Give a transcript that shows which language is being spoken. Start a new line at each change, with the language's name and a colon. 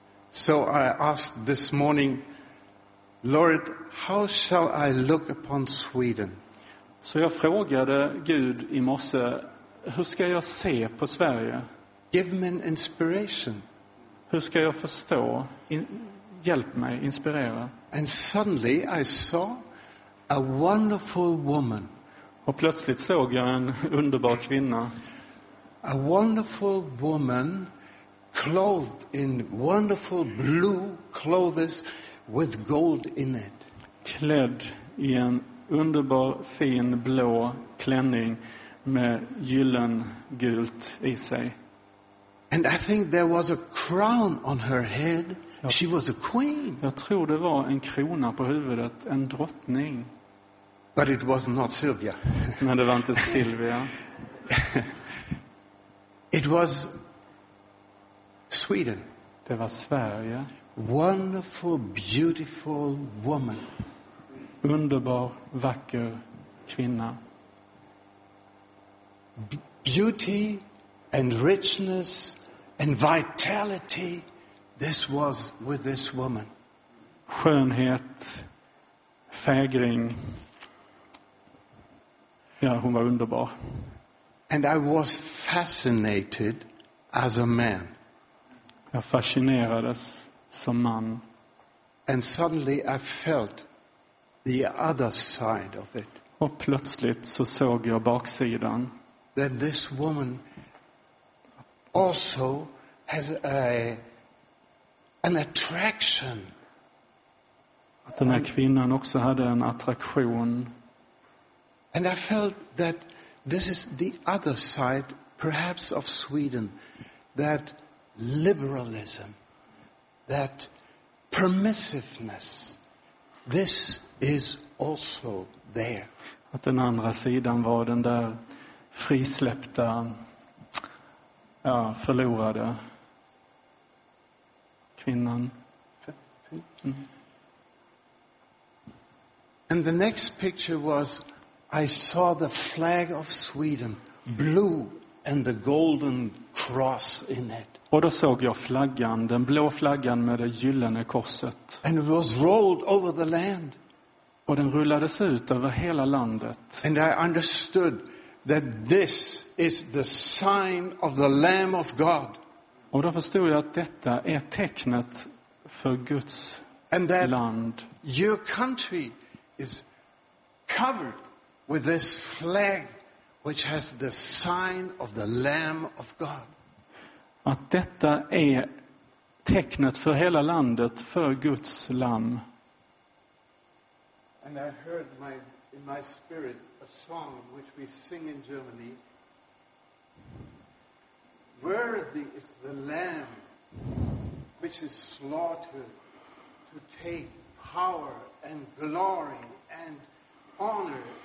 English: So I asked this morning, Lord, how shall I look upon Sweden?
Swedish: Så jag frågade Gud i morse, hur ska jag se på Sverige?
English: Give me an inspiration.
Swedish: Hur ska jag förstå? Hjälp mig, inspirera.
English: And suddenly I saw a wonderful woman.
Swedish: Och plötsligt såg jag en underbar kvinna.
English: A wonderful woman clothed in wonderful blue clothes with gold in it.
Swedish: Klädd i en underbar fin blå klänning med gyllen gult i sig.
English: And I think there was a crown on her head. She was a queen.
Swedish: Jag tror det var en krona på huvudet, en drottning.
English: But it was not Sylvia.
Swedish: Men det var inte Sylvia.
English: It was Sweden.
Swedish: Det var Sverige.
English: Wonderful, beautiful woman.
Swedish: Underbar, vacker kvinna.
English: Beauty and richness and vitality, this was with this woman.
Swedish: Skönhet, fägring. Ja, hon var underbar.
English: And I was fascinated as a man.
Swedish: Jag fascinerades som man.
English: And suddenly I felt the other side of it.
Swedish: Och plötsligt så såg jag baksidan.
English: That this woman also has an attraction.
Swedish: Att den här kvinnan också hade en attraktion.
English: And I felt that this is the other side, perhaps of Sweden, that liberalism, that permissiveness, this is also there.
Swedish: Att den andra sidan var den där frisläppta, ja, förlorade kvinnan. Mm.
English: And the next picture was I saw the flag of Sweden, blue and the golden cross in it.
Swedish: Och då såg jag flaggan, den blå flaggan med det gyllene korset.
English: And it was rolled over the land.
Swedish: Och den rullades ut över hela landet.
English: And I understood that this is the sign of the Lamb of God.
Swedish: Och då förstod jag att detta är tecknet för Guds
English: and that land. Your country is covered with this flag which has the sign of the Lamb of God.
Swedish: Att detta är tecknet för hela landet, för Guds lamm.
English: And I heard in my spirit a song which we sing in Germany. Worthy is the Lamb which is slaughtered to take power and glory and honor.